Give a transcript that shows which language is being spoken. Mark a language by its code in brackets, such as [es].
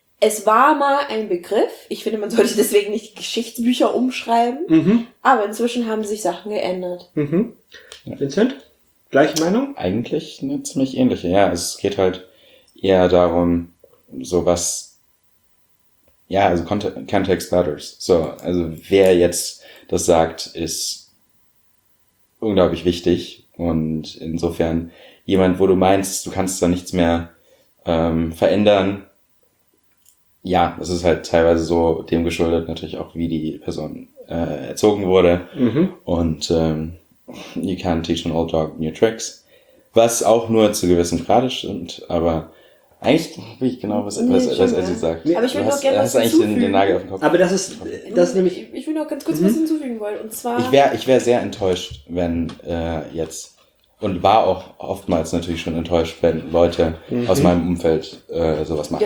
[de] Es war mal ein Begriff. Ich finde, man sollte deswegen nicht Geschichtsbücher umschreiben. Aber inzwischen haben sich Sachen geändert. Vincent, gleiche Meinung? Eigentlich eine ziemlich ähnliche. Ja, es geht halt eher darum, so was... Ja, also [en] Context matters. [de] So, also wer jetzt das sagt, ist unglaublich wichtig. Und insofern jemand, wo du meinst, du kannst da nichts mehr verändern... Ja, das ist halt teilweise so dem geschuldet, natürlich auch, wie die Person erzogen wurde. [en] Und you can't teach an old dog new tricks. [de] Was auch nur zu gewissem Grade stimmt, aber eigentlich wie ich genau, was er sagt. Aber ich würde auch gerne was hinzufügen. Hast den Nagel auf den Kopf. Aber das ist, nämlich... Ich würde auch ganz kurz was hinzufügen wollen, und zwar... Ich wäre sehr enttäuscht, wenn jetzt, und war auch oftmals natürlich schon enttäuscht, wenn Leute aus meinem Umfeld sowas machen.